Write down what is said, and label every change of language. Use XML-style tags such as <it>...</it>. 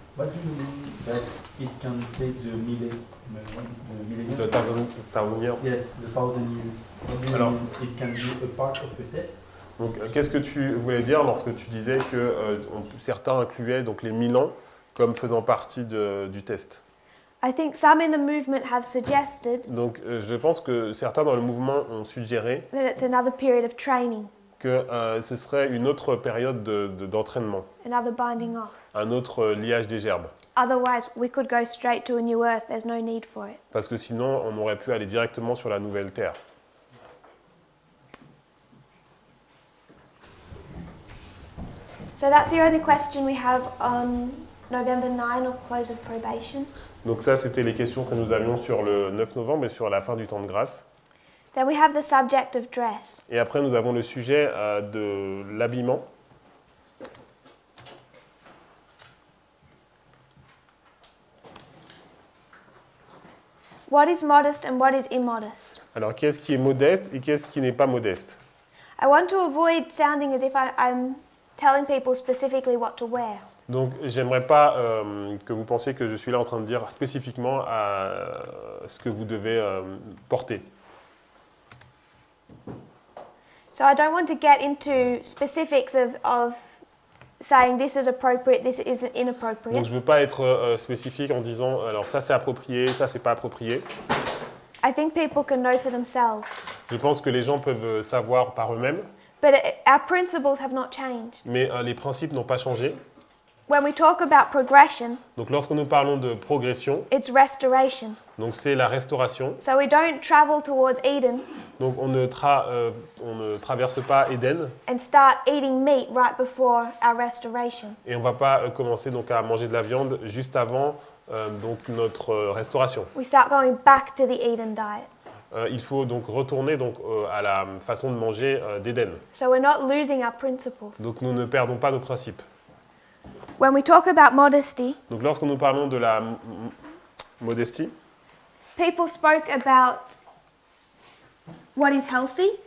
<en>What do you mean that it can take the millennium? The thousand years. Yes, the thousand years.</en> <fr>Alors,</fr> <en>it can be a part of the test.</en> <fr>Donc, qu'est-ce que tu voulais dire lorsque tu disais que certains incluaient donc les 1000 ans comme faisant partie du test?</fr> <en>I think some in the movement have suggested.</en> <fr>Donc, je pense que certains dans le mouvement ont suggéré.</fr> <en>That it's another period of training.</en> <fr>Que ce serait une autre période d'entraînement.</fr> <en>Another binding off.</en> <fr>Un autre liage des gerbes.</fr> <en>Otherwise, we could go straight to a new earth. There's no need for it.</en> <fr>Parce que sinon, on aurait pu aller directement sur la nouvelle terre.</fr> <en>So that's the only question we have on November 9 or close of probation.</en> <fr>Donc ça, c'était les questions que nous avions sur le 9 novembre et sur la fin du temps de grâce.</fr> <en>Then we have the subject of dress.</en> <fr>Et après, nous avons le sujet de l'habillement.</fr> <en>What is modest and what is immodest?</en> <fr>Alors, qu'est-ce qui est modeste et qu'est-ce qui n'est pas modeste?</fr> <en>I want to avoid sounding as if I'm telling people specifically what to wear.</en> <fr>Donc, j'aimerais pas que vous pensiez que je suis là en train de dire spécifiquement à ce que vous devez porter.</fr> <en>So I don't want to get into specifics of saying this is appropriate, this is inappropriate.</en> <fr>Donc, je veux pas être spécifique en disant alors ça c'est approprié, ça c'est pas approprié.</fr> <en>I think people can know for themselves.</en> <fr>Je pense que les gens peuvent savoir par eux-mêmes.</fr> <en>But our principles have not changed.</en> <fr>Mais les principes n'ont pas changé.</fr> <en>When we talk about progression,</en> <fr>donc lorsque nous parlons de progression,</fr> <en>it's restoration.</en> <fr>Donc c'est la restauration.</fr> <en>So we don't travel towards Eden.</en> <fr>Donc on ne traverse pas Eden.</fr> <en>And start eating meat right before our restoration.</en> <fr>Et on ne va pas commencer donc à manger de la viande juste avant donc notre restauration.</fr> <en>We start going back to the Eden diet.</en> <fr>Il faut donc retourner donc à la façon de manger d'Eden.</fr> <en>So we're not losing our principles.</en> <fr>Donc nous ne perdons pas nos principes.</fr> <en>When we talk about modesty,</en> <fr>donc lorsque nous parlons de la modestie,</fr> <en>people spoke about what is healthy.</en>